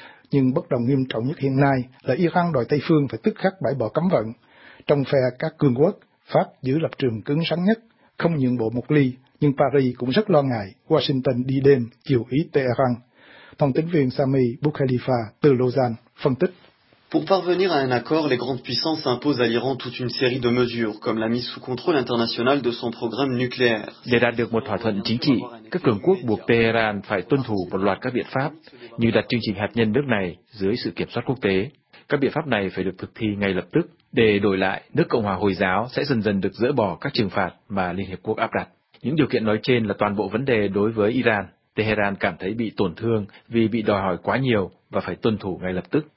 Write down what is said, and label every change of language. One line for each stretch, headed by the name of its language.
Vietnamese: Nhưng bất đồng nghiêm trọng nhất hiện nay là Iran đòi Tây Phương phải tức khắc bãi bỏ cấm vận. Trong phe các cường quốc, Pháp giữ lập trường cứng rắn nhất, không nhượng bộ một ly, nhưng Paris cũng rất lo ngại Washington đi đêm chiều ý Tehran. Thông tấn viên Sami Boukhalifa từ Lausanne phân tích.
French: Pour parvenir à un accord, les grandes puissances imposent à l'Iran toute une série de mesures, comme la mise sous contrôle international de son programme nucléaire.
Vietnamese: Để đạt được một thỏa thuận chính trị, các cường quốc buộc Tehran phải tuân thủ một loạt các biện pháp, như đặt chương trình hạt nhân nước này dưới sự kiểm soát quốc tế. Các biện pháp này phải được thực thi ngay lập tức, để đổi lại, nước Cộng hòa Hồi giáo sẽ dần dần được dỡ bỏ các trừng phạt mà Liên Hiệp Quốc áp đặt. Những điều kiện nói trên là toàn bộ vấn đề đối với Iran. Tehran cảm thấy bị tổn thương vì bị đòi hỏi quá nhiều và phải tuân thủ ngay lập tức.